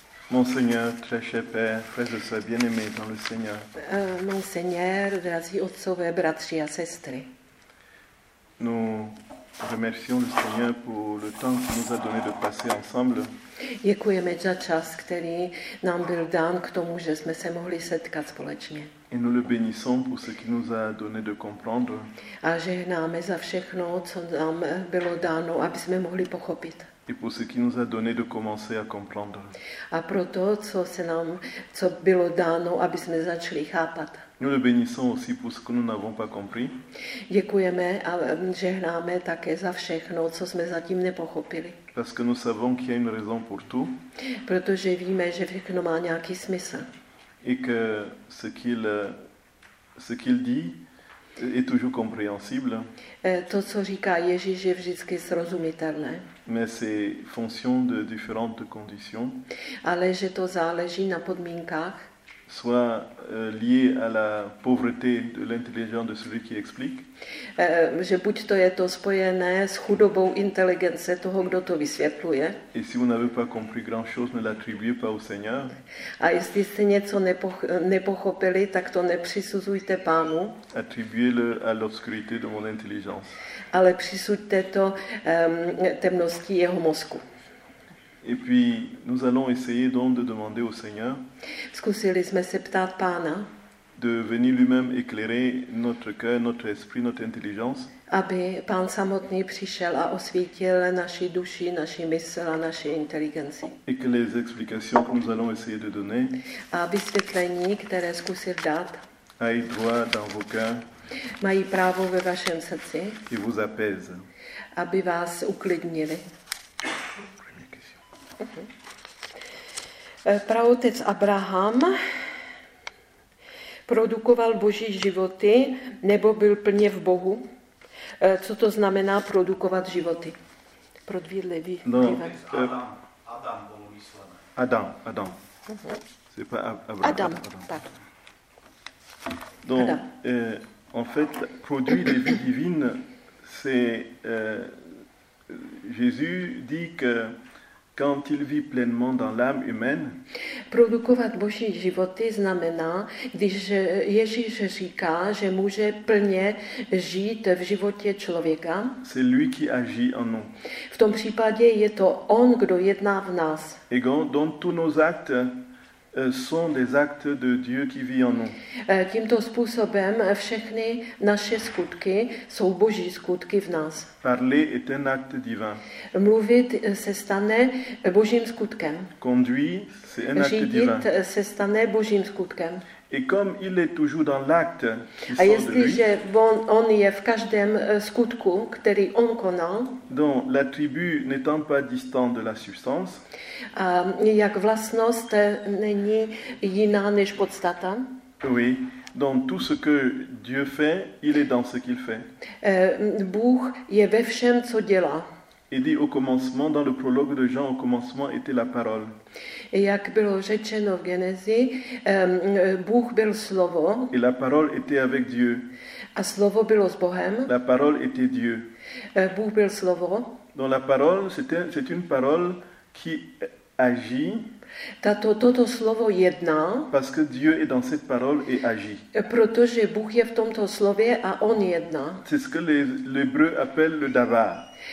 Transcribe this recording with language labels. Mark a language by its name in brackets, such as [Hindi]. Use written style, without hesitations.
[French] Monseigneur, très cher père, frères et sœurs bien-aimés dans le Seigneur. [Czech] Monseigneur, drazí otcové, bratři a sestry. [French] Nous remercions le Seigneur pour le temps qu'il nous a donné de passer ensemble. [Czech] Děkujeme za čas, který nám byl dán k tomu, že jsme se mohli setkat společně. [French] Et nous le bénissons pour ce qu'il nous a donné de comprendre. [Czech] A žehnáme za všechno, co nám bylo dáno, aby jsme mohli pochopit. [French] Et pour ce qui nous a donné de commencer à comprendre. [Czech] A proto, co se nám, co bylo dáno, aby jsme začali chápat. [French] Nous le bénissons aussi pour ce que nous n'avons pas compris. [Czech] Děkujeme a žehnáme také za všechno, co jsme zatím nepochopili. [French] Parce que nous savons qu'il y a une raison pour tout. [Czech] Protože víme, že všechno má nějaký smysl. [French] Et que ce qu'il dit est toujours compréhensible. [Czech] To, co říká Ježíš, je vždycky srozumitelné. [French] Mais c'est fonction de différentes conditions. [Czech] Ale že to záleží na podmínkách. [French] Soit lié à la pauvreté de l'intelligence de celui qui explique. [Czech] Že buď to je to spojené s chudobou inteligence toho, kdo to vysvětluje. [French] Et si vous n'avez pas compris grand chose, ne l'attribuez pas au Seigneur. [Czech] A jestli jste něco nepochopili, tak to nepřisuzujte Pánu. [French] Attribuez-le à l'obscurité de mon intelligence. [Czech] Ale přisuďte to temnosti jeho mozku. [French] Et puis nous allons essayer donc de demander au Seigneur. [Czech] Zkusili jsme se ptát Pána. [French] De venir lui-même éclairer notre cœur, notre esprit, notre intelligence. [Czech] Aby Pán samotný přišel a osvítil naši duši, naši mysl a naši inteligenci. [French] Et que les explications que nous allons essayer de donner. [Czech] A vysvětlení, které zkusil dát. [French] Aient droit dans vos cœurs. [Czech] Mají právo ve vašem srdci. [French] Et vous apaisent. [Czech] Aby vás uklidnili. Praotec Abraham produkoval boží životy nebo byl plně v Bohu? Co to znamená produkovat životy? Prodvídlivý. No, Adam bylo myslené. Adam. Uh-huh. [French] C'est pas Abraham. Donc, Adam. En fait, produit des vies divines, c'est Jésus dit que quand il vit pleinement dans l'âme humaine, [Czech] produkovat boží životy znamená, když Ježíš říká, že může plně žít v životě člověka. [French] C'est lui qui agit en nous. [Czech] V tom případě je to on, kdo jedná v nás. [French] Donc tous nos actes sont des actes de Dieu qui vit en nous. [Czech] Tímto způsobem všechny naše skutky jsou boží skutky v nás. [French] Parler est un acte divin. [Czech] Mluvit se stane božím skutkem. [French] Conduire, c'est un acte divin. [Czech] Řídit se stane božím skutkem. [French] Et comme il est toujours dans l'acte qui sort de lui. [Czech] A jestliže on je v každém skutku, který on konal. [French] Donc l'attribut n'étant pas distant de la substance. [Czech] A jak vlastnost není jiná než podstata. [French] Oui, donc tout ce que Dieu fait, il est dans ce qu'il fait. [Czech] Bůh je ve všem, co dělá. [French] Il dit au commencement, dans le prologue de Jean, au commencement était la parole. [Czech] Et jak bylo řečeno v Genesi, Bůh byl slovo. [French] Et la parole était avec Dieu. [Czech] A slovo bylo s Bohem. [French] La parole était Dieu. [Czech] Bůh byl slovo. [French] Donc la parole, c'est une parole qui agit. [Czech] Toto slovo jedná. [French] Parce que Dieu est dans cette parole et agit. [Czech] Protože Bůh je v tomto slově a on jedná. [French] C'est ce que les Hébreux appellent le davar.